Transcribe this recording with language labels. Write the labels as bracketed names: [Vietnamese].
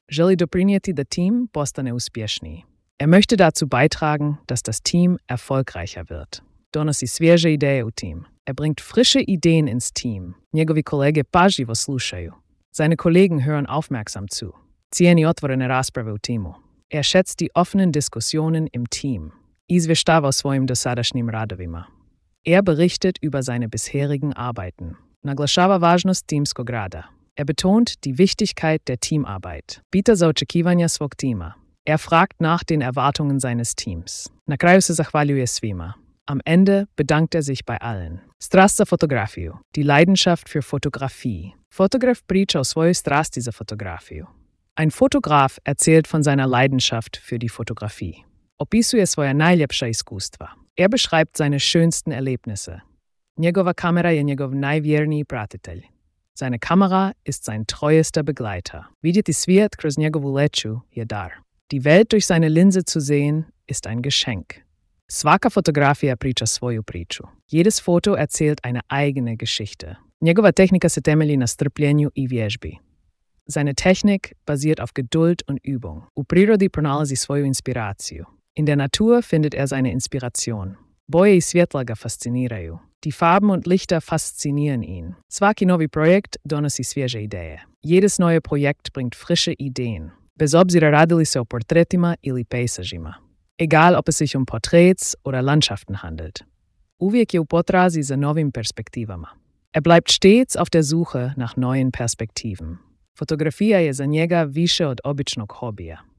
[Croatian] Želi doprinijeti da tim postane uspješniji. [German] Er möchte dazu beitragen, dass das Team erfolgreicher wird. [Croatian] Donosi svježe ideje u tim. [German] Er bringt frische Ideen ins Team. [Croatian] Njegovi kolege pažljivo slušaju. [German] Seine Kollegen hören aufmerksam zu. [Croatian] Cijeni otvorene rasprave u timu. [German] Er schätzt die offenen Diskussionen im Team. [Croatian] Izvještava o svojim dosadašnjim radovima. [German] Er berichtet über seine bisherigen Arbeiten. [Croatian] Naglašava važnost timskog rada. [German] Er betont die Wichtigkeit der Teamarbeit. [Croatian] Pita za očekivanja svog tima. [German] Er fragt nach den Erwartungen seines Teams. [Croatian] Na kraju se zahvaljuje svima. [German] Am Ende bedankt er sich bei allen. [Croatian] Strast za fotografiju. [German] Die Leidenschaft für Fotografie. [Croatian] Fotograf priča o svojoj strasti za fotografiju. [German] Ein Fotograf erzählt von seiner Leidenschaft für die Fotografie. [Croatian] Opisuje svoja najljepša iskustva. [German] Er beschreibt seine schönsten Erlebnisse. [Croatian] Njegova kamera je njegov najvjerniji pratitelj. [German] Seine Kamera ist sein treuester Begleiter. [Croatian] Vidjeti svijet kroz njegovu leću je dar. [German] Die Welt durch seine Linse zu sehen, ist ein Geschenk. [Croatian] Svaka fotografija priča svoju priču. [German] Jedes foto erzählt eine eigene Geschichte. [Croatian] Njegova tehnika se temelji na strpljenju i vježbi. [German] Seine Technik basiert auf Geduld und Übung. [Croatian] U prirodi pronalazi svoju inspiraciju. [German] In der Natur findet seine Inspiration. [Croatian] Boje i svjetla ga fasciniraju. [German] Die Farben und Lichter faszinieren ihn. [Croatian] Svaki novi projekt donosi svježe ideje. [German] Jedes neue Projekt bringt frische Ideen. [Croatian] Bez obzira radili se o portretima ili pejsažima. [German] Egal, ob es sich Porträts oder Landschaften handelt. [Croatian] Uvijek je u potrazi za novim perspektivama. [German] Bleibt stets auf der Suche nach neuen Perspektiven. [Croatian] Fotografija je za njega više od običnog hobija.